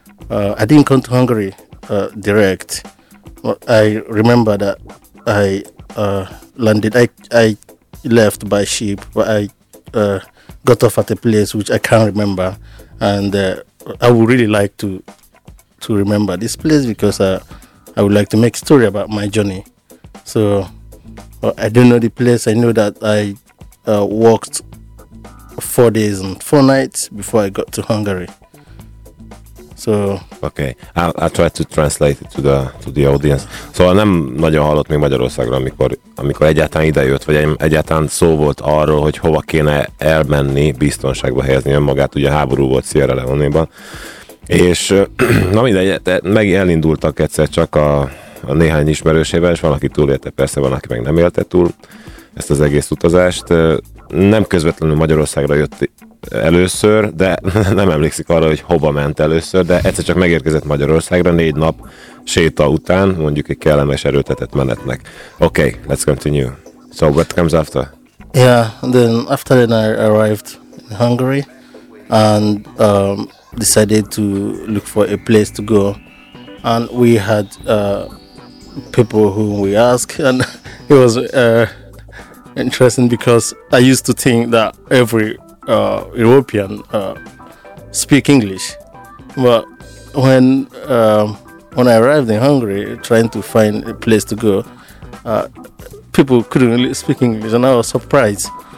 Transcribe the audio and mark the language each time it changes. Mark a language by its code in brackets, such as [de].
[en] I didn't come to Hungary direct. I remember that I landed, I left by ship, but I got off at a place which I can't remember, and I would really like to remember this place because I would like to make a story about my journey. So I don't know the place. I know that I walked 4 days and four nights before I got to Hungary. So, okay, I'll try to translate it to the audience. [hu] Szóval nem nagyon hallott még Magyarországra, amikor egyáltalán idejött, vagy egyáltalán szó volt arról, hogy hova kéne elmenni, biztonságba helyezni önmagát, ugye háború volt Sierra Leone-ban. És na mindegy, meg elindultak egyszer csak a néhány ismerősével, és van, aki túlélte, persze van, aki meg nem élte túl ezt az egész utazást. Nem közvetlenül Magyarországra jött először, de nem emlékszik arra, hogy hova ment először, de egyszer csak megérkezett Magyarországra 4 nap séta után, mondjuk egy kellemes erőtetett menetnek. [en] Okay, let's continue. So what comes after? Yeah, then after that I arrived in Hungary and decided to look for a place to go. And we had people whom we asked, and it was interesting because I used to think that every European speak English, but when I arrived in Hungary trying to find a place to go, people couldn't really speak English, and I was surprised.